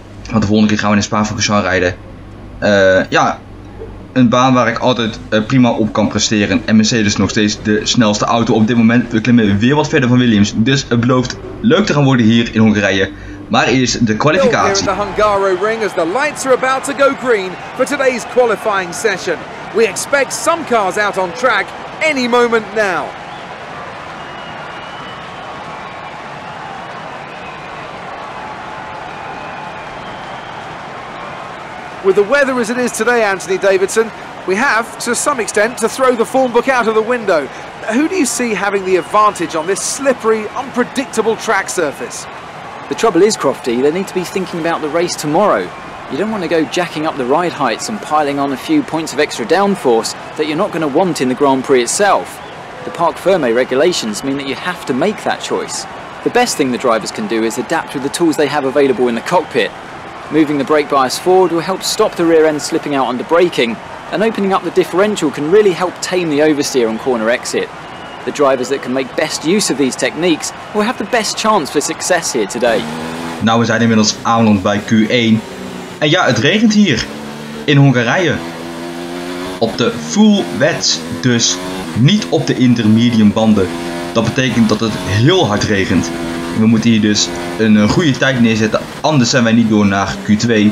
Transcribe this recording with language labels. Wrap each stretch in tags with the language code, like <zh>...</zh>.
<nl>Want de volgende keer gaan we in Spa-Francorchamps rijden. Een baan waar ik altijd prima op kan presteren. En Mercedes nog steeds de snelste auto op dit moment. We klimmen weer wat verder van Williams. Dus het belooft leuk te gaan worden hier in Hongarije. Maar eerst de kwalificatie.</nl> <en>Hungaro ring as the lights are about to go green for today's qualifying session. We expect some cars out on track any moment now. With the weather as it is today, Anthony Davidson, we have, to some extent, to throw the form book out of the window. Who do you see having the advantage on this slippery, unpredictable track surface? The trouble is, Crofty, they need to be thinking about the race tomorrow. You don't want to go jacking up the ride heights and piling on a few points of extra downforce that you're not going to want in the Grand Prix itself. The Parc Fermé regulations mean that you have to make that choice. The best thing the drivers can do is adapt with the tools they have available in the cockpit. Moving the brake bias forward will help stop the rear end slipping out under braking, and opening up the differential can really help tame the oversteer on corner exit. The drivers that can make best use of these techniques will have the best chance for success here today.</en> <nl>Nou, we zijn inmiddels aanland bij Q1. En ja, het regent hier in Hongarije. Op de full wets, dus niet op de intermedium banden. Dat betekent dat het heel hard regent. We moeten hier dus een goede tijd neerzetten, anders zijn wij niet door naar Q2.</nl>